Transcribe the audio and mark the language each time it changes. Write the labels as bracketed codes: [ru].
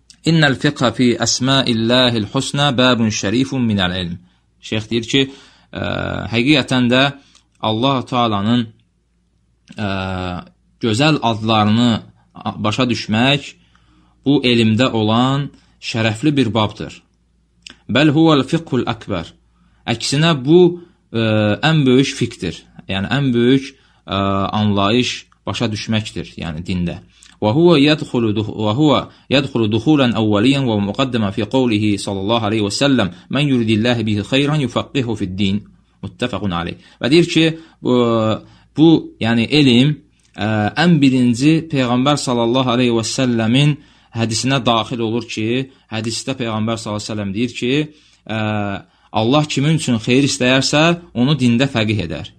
[ar] إن الفقه في أسماء الله الحسنى باب شريف من العلم. [az] Şeyx deyir ki, həqiqətən də Allah Taala'nın gözəl adlarını başa düşmək bu elmdə olan şərəfli bir babdır. [ar] Bəl huval fiqhul əkbər. [az] Əksinə bu ən böyük fiqdir. Yəni ən böyük anlayış, başa düşməkdir, yəni dində. [ar] وهو يدخل دخولا اوليا ومقدما في قوله صلى الله عليه وسلم من يريد الله به خيرا يفقهه في الدين متفق عليه. [az] Və deyir ki, bu yəni elm ən birinci peyğəmbər sallallahu alayhi və sallamın hədisinə daxil olur ki, hədisdə peyğəmbər sallallahu alayhi və sallam deyir ki, Allah kimin üçün xeyir istəyərsə onu dində fəqih edər.